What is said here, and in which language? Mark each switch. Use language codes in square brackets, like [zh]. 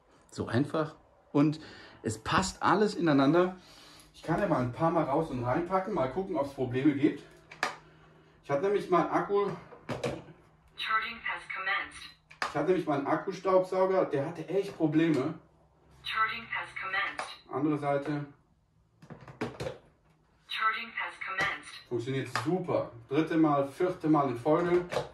[de] So einfach und es passt alles ineinander. Ich kann ja mal ein paar Mal raus und reinpacken, mal gucken, ob es Probleme gibt. Ich hatte nämlich mal einen Akkustaubsauger, der hatte echt Probleme. [en] Charging has commenced. [de] Andere Seite. [en] Charging has commenced. [de] Funktioniert super. Dritte Mal, vierte Mal in Folge.